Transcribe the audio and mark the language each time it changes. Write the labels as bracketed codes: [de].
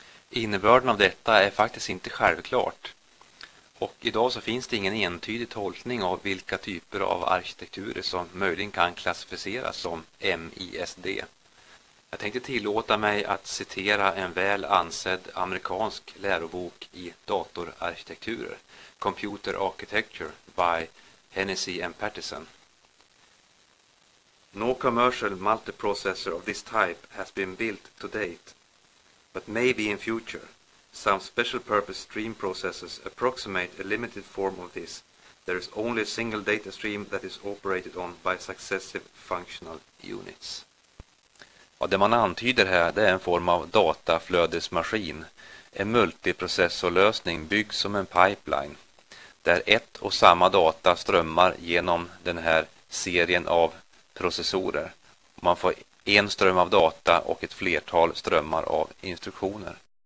[sv] Innebörden av detta är faktiskt inte självklart. Och idag så finns det ingen entydig tolkning av vilka typer av arkitekturer som möjligen kan klassificeras som MISD. Jag tänkte tillåta mig att citera en väl ansedd amerikansk lärobok i datorarkitekturer, [en] Computer Architecture by Hennessy and Patterson. No commercial multiprocessor of this type has been built to date, but maybe in future, some special purpose stream processors approximate a limited form of this. There is only a single data stream that is operated on by successive functional units. [sv] Ja, det man antyder här, det är en form av dataflödesmaskin. En multiprocessorlösning byggd som en pipeline där ett och samma data strömmar genom den här serien av processorer. Man får en ström av data och ett flertal strömmar av instruktioner.